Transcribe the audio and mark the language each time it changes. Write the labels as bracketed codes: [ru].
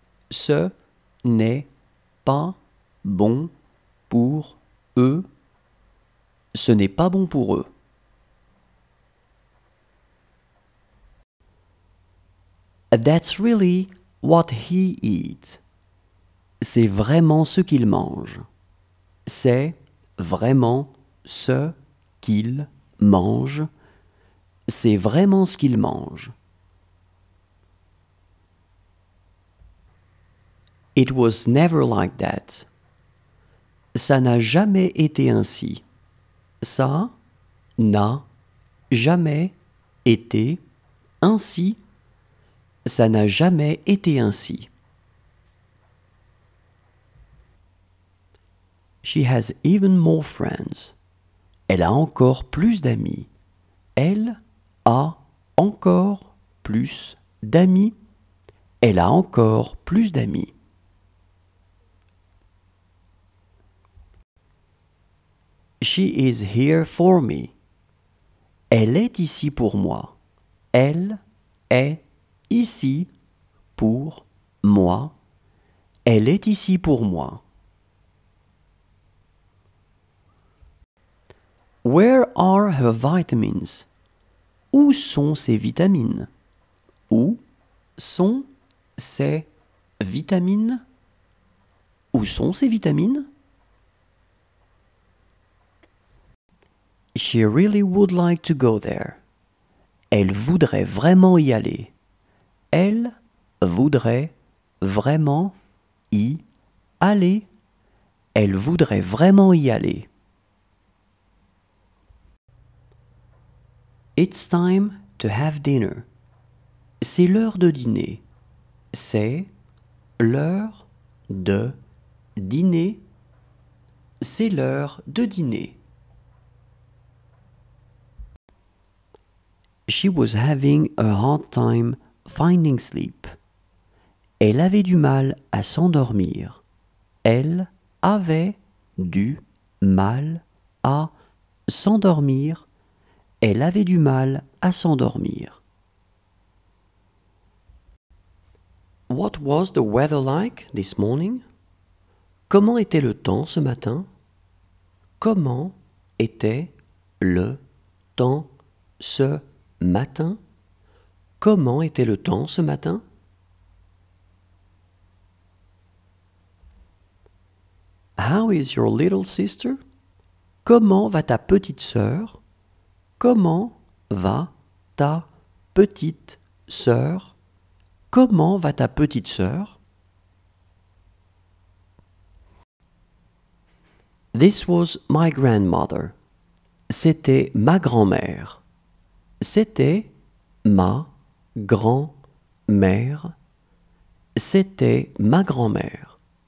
[fr] Ce n'est pas bon pour eux. Ce n'est pas bon pour eux. [en] That's really what he eats. [fr] C'est vraiment ce qu'il mange. C'est vraiment ce qu'il mange. C'est vraiment ce qu'il mange. [en] It was never like that. [fr] Ça n'a jamais été ainsi. Ça n'a jamais été ainsi. Ça n'a jamais été ainsi. [en] She has even more friends. [fr] Elle a encore plus d'amis. Elle a encore plus d'amis. Elle a encore plus d'amis. [en] She is here for me. [fr] Elle est ici pour moi. Elle est ici pour moi. Elle est ici pour moi. [en] Where are her vitamins? [fr] Où sont ses vitamines? Où sont ses vitamines? Où sont ses vitamines? [en] She really would like to go there. [fr] Elle voudrait vraiment y aller. Elle voudrait vraiment y aller. Elle voudrait vraiment y aller. [en] It's time to have dinner. [fr] C'est l'heure de dîner. C'est l'heure de dîner. C'est l'heure de dîner. [en] She was having a hard time finding sleep. [fr] Elle avait du mal à s'endormir. Elle avait du mal à s'endormir. Elle avait du mal à s'endormir. [en] What was the weather like this morning? [fr] Comment était le temps ce matin? Comment était le temps ce matin? Comment était le temps ce matin? [en] How is your little sister? [fr] Comment va ta petite sœur? Comment va ta petite sœur? Comment va ta petite sœur? [en] This was my grandmother. [fr] C'était ma grand-mère. C'était ma grand-mère. C'était ma grand-mère.